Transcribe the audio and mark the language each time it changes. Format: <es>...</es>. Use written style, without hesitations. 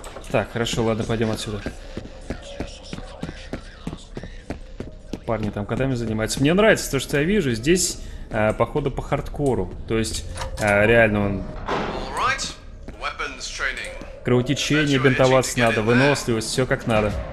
<ru>Так, хорошо, ладно, пойдем отсюда. Парни там котами занимаются. Мне нравится то, что я вижу. Здесь походу по хардкору. То есть реально он...</ru> <en>All right. Weapons training.</en> <ru>кровотечение, бинтоваться надо, выносливость, все как надо.</ru>